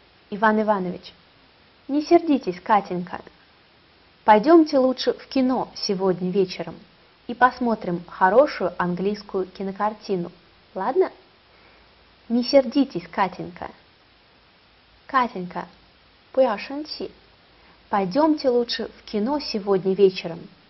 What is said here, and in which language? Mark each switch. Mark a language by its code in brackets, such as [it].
[ru] Иван Иванович, не сердитесь, Катенька. Пойдемте лучше в кино сегодня вечером и посмотрим хорошую английскую кинокартину, ладно? Не сердитесь, Катенька. [zh] Катенька, 不要生气. [ru] Пойдемте лучше в кино сегодня вечером.